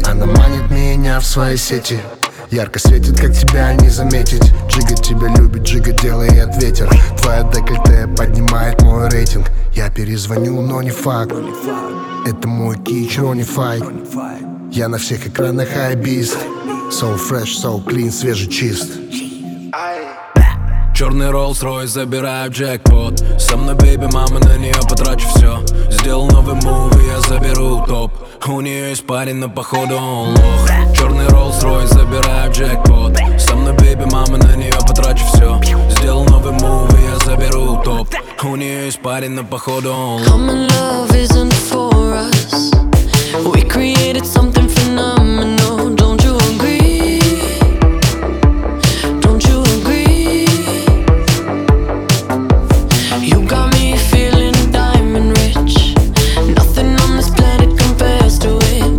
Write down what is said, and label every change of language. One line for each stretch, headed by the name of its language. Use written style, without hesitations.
Russian: Она манит меня в свои сети. Ярко светит, как тебя не заметить. Джига тебя любит, джига, делает ветер. Твоя декольте поднимает мой рейтинг. Я перезвоню, но не факт. Это мой кич, Ронни Фай. Я на всех экранах хайбист.
English: So fresh, so clean,
Russian: свежий, чист. Черный Rolls-Royce, забираю джекпот. Со мной бэйби, мама, на нее потрачу все. Сделал новый муви, я заберу топ. У нее есть парень, но походу он лох. Черный Rolls-Royce, забираю джекпот. Со мной бэйби, мама, на нее потрачу все. Сделал новый муви, я заберу топ. У нее есть парень, но походу он лох.
English: Common love isn't for us. We created something phenomenal. Don't you agree? Don't you agree? You got me feeling diamond rich. Nothing on this planet compares to it.